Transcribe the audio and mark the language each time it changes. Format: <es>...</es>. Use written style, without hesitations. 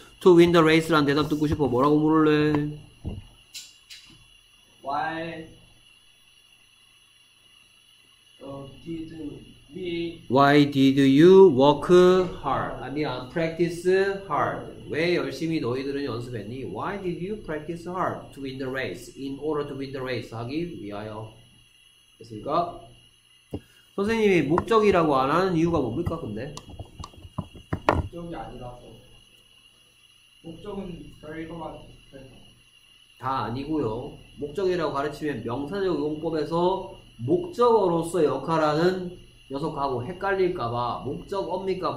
<en>To win the race</en> <ko>란 대답 듣고 싶어. 뭐라고 물을래?</ko> <en>Why did Why did you work hard?</en> <ko>아, 미안.</ko> <en>Practice hard.</en> <ko>왜 열심히 너희들은 연습했니?</ko> <en>Why did you practice hard to win the race? In order to win the race</en> <ko>하기 위하여. 됐습니까? 선생님이 목적이라고 안 하는 이유가 뭡니까, 근데? 목적이 아니라서. 목적은 별거만 있어요. 다 아니고요. 목적이라고 가르치면 명사적 용법에서 목적어로서 역할하는 녀석하고 헷갈릴까봐 목적어입니까?</ko>